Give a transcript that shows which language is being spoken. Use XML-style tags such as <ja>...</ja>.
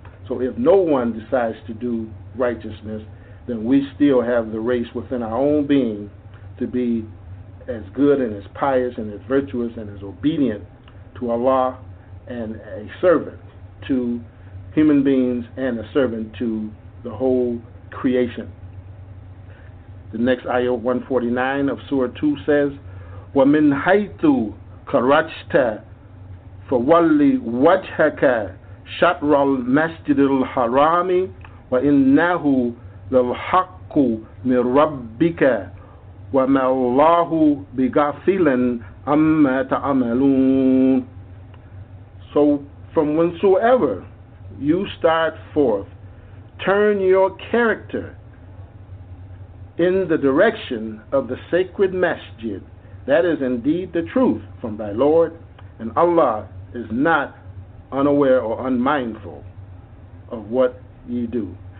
<en>So if no one decides to do righteousness, then we still have the race within our own being to be as good and as pious and as virtuous and as obedient to Allah and a servant to human beings and a servant to the whole creation. The next ayah 149 of Surah 2 says,</en> <ar>وَمِنْ حَيْثُ خَرَجْتَ فَوَلِّ وَجْهَكَ شَطْرَ الْمَسْجِدِ الْحَرَامِ وَإِنَّهُ لَلْحَقُّ مِنْ رَبِّكَ وَمَا اللَّهُ بِغَافِلٍ أَمَّا تَعْمَلُونَ.</ar> <en>So from whensoever you start forth, turn your character in the direction of the sacred masjid. That is indeed the truth from thy Lord, and Allah is not unaware or unmindful of what ye do.</en>